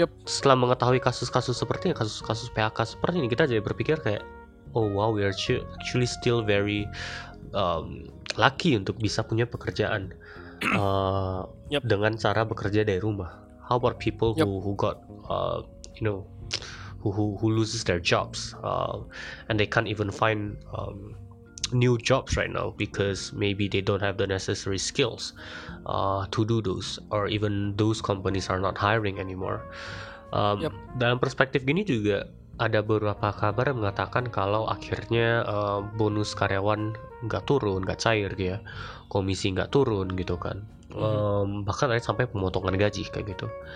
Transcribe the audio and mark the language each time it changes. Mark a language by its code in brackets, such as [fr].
[id] Setelah mengetahui kasus-kasus seperti ini, kasus-kasus PHK seperti ini, kita jadi berpikir kayak oh wow, [en] we are actually still very lucky [id] untuk bisa punya pekerjaan dengan cara bekerja dari rumah. [en] How about people who got you know, who loses their jobs and they can't even find new jobs right now because maybe they don't have the necessary skills to do those, or even those companies are not hiring anymore. [id] Dalam perspektif gini juga ada beberapa kabar yang mengatakan kalau akhirnya bonus karyawan nggak turun, nggak cair gitu ya, komisi nggak turun gitu kan. Bahkan ada sampai pemotongan gaji kayak gitu.